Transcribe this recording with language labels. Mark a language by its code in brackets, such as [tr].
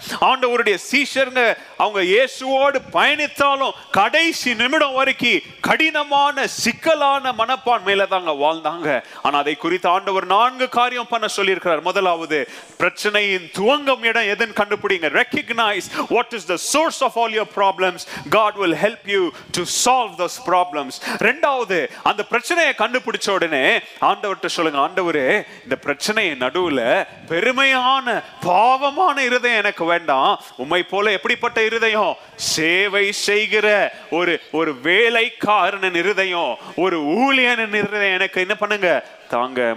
[ta] ஆண்டவருடைய சீஷர்ங்க அவங்க இயேசுவோடு பயணித்தாலும் கடைசி நிமிடம் வரைக்கும் கடினமான சிக்கலான மனப்பான்மையில தாங்க வாழ்ந்தாங்க. ஆனா அதை குறித்து ஆண்டவர் நான்கு காரியம் பண்ண சொல்லியிருக்கிறார். முதலாவது, பிரச்சனையின் துவங்கும் இடம் எதன் கண்டுபிடிங்க. [en] Recognise what is the source of all your problems. God will help you to solve those problems. [ta] இரண்டாவது, அந்த பிரச்சனையை கண்டுபிடிச்ச உடனே ஆண்டவர்கிட்ட சொல்லுங்க, ஆண்டவரே இந்த பிரச்சனையின் நடுவுல பெருமையான பாவமான இருதயம் எனக்கு வேண்டாம், உம்மை போல எப்படிப்பட்ட இருதயம், சேவை செய்கிற ஒரு ஒரு வேலைக்காரன் இருதயம், ஒரு ஊழியன் இருதயம் எனக்கு என்ன பண்ணுங்க தாங்க.